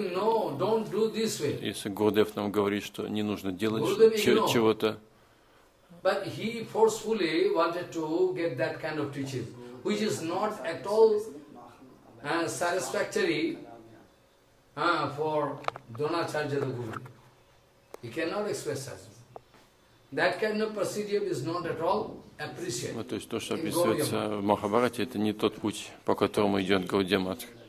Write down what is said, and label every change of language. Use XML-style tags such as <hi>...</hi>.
<ru>Если Гурудев нам говорит, что не нужно делать чего-то,</ru> <en>but he forcefully wanted to get that kind of teaching, which is not at all satisfactory for Dronacharya the Guru. He cannot express that. That kind of procedure is not at all appreciated.</en> <ru>Вот, то есть то, что описывается в Махабхарате, это не тот путь, по которому идет Гауди Матх.</ru>